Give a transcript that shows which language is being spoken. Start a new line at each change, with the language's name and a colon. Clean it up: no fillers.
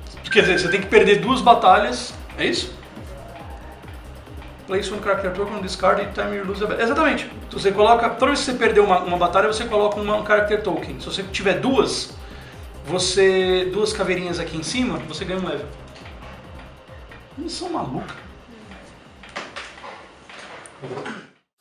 Portuguese: Quer dizer, você tem que perder 2 batalhas, é isso?
English: Place one character token on discard each time you lose a battle.
Portuguese: Exatamente. Então você coloca, toda vez que você perder uma batalha, você coloca um character token. Se você tiver 2, você. 2 caveirinhas aqui em cima, você ganha um level. Missão maluca.
English: Thank you.